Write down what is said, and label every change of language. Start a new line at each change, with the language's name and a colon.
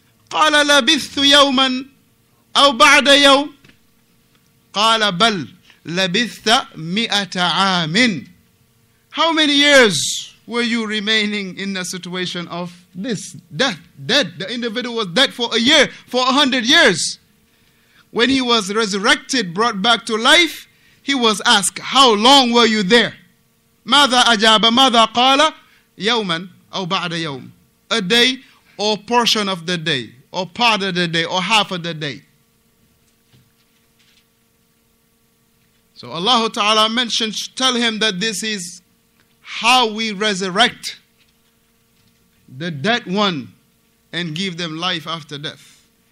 Arabic: قال لبثت يوما أو بعد يوم قال بل لبثت مئة عام.
English: How many years were you remaining in a situation of this death? Dead. The individual was dead for a year, for 100 years. When he was resurrected, brought back to life, he was asked, how long were you there?
Arabic: ماذا أجاب ماذا قال يوما أو بعد يوم.
English: A day or portion of the day, or part of the day, or half of the day. So Allah Ta'ala mentioned, tell him that this is how we resurrect the dead one and give them life after death.